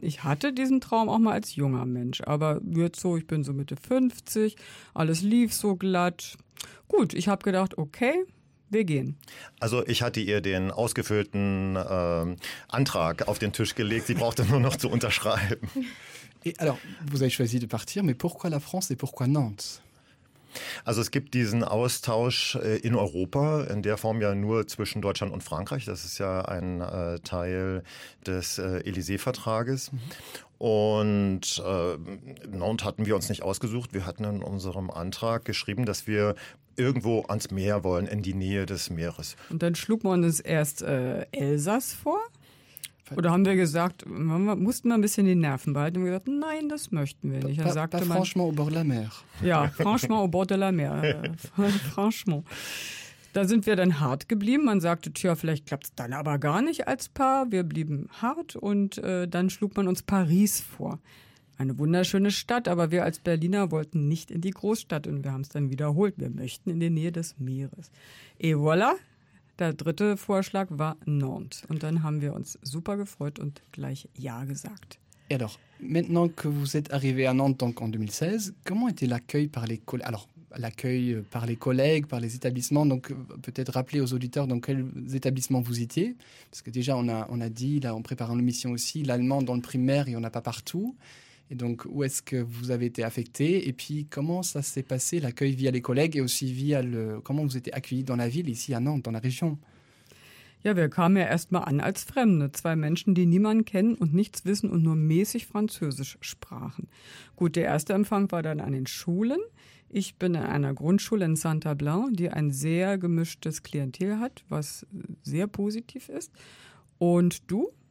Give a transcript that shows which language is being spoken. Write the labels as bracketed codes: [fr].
[de] Ich hatte diesen Traum auch mal als junger Mensch, aber jetzt so, ich bin so Mitte 50, alles lief so glatt. Gut, ich habe gedacht, okay, wir gehen. Also ich hatte ihr den ausgefüllten Antrag auf den Tisch gelegt, sie brauchte nur noch zu unterschreiben. [fr] Et alors, vous avez choisi de partir, mais pourquoi la France et pourquoi Nantes? [de] Also es gibt diesen Austausch in Europa, in der Form ja nur zwischen Deutschland und Frankreich. Das ist ja ein Teil des Élysée-Vertrages. Und Nantes hatten wir uns nicht ausgesucht. Wir hatten in unserem Antrag geschrieben, dass wir irgendwo ans Meer wollen, in die Nähe des Meeres. Und dann schlug man uns erst Elsass vor? Oder haben wir gesagt, mussten wir ein bisschen die Nerven behalten und gesagt, nein, das möchten wir nicht. [fr] Franchement au bord de la mer. Ja, franchement au bord de la mer. Franchement. [de] Da sind wir dann hart geblieben. Man sagte, tja, vielleicht klappt es dann aber gar nicht als Paar. Wir blieben hart und dann schlug man uns Paris vor. Eine wunderschöne Stadt, aber wir als Berliner wollten nicht in die Großstadt und wir haben es dann wiederholt. Wir möchten in die Nähe des Meeres. [fr] Et voilà. [de] Der dritte Vorschlag war Nantes. Und dann haben wir uns super gefreut und gleich Ja gesagt. [fr] Et alors, maintenant que vous êtes arrivé à Nantes donc en 2016, comment était l'accueil par les collègues? Alors, l'accueil par les collègues, par les établissements, donc peut-être rappeler aux auditeurs dans quels établissements vous étiez. Parce que déjà, on a dit, là, en préparant l'émission aussi, l'allemand dans le primaire, il n'y en a pas partout. Et donc, où est-ce que vous avez été affecté? Et puis, comment ça s'est passé, l'accueil via les collègues et aussi via le... Comment vous étiez accueillis dans la ville, ici à Nantes, dans la région? [de] Ja, wir kamen ja erstmal an als Fremde. 2 Menschen, die niemanden kennen und nichts wissen und nur mäßig Französisch sprachen. Gut, der erste Empfang war dann an den Schulen. Ich bin in einer Grundschule in Saint-Ablain, die ein sehr gemischtes Klientel hat, was sehr positiv ist. Und du?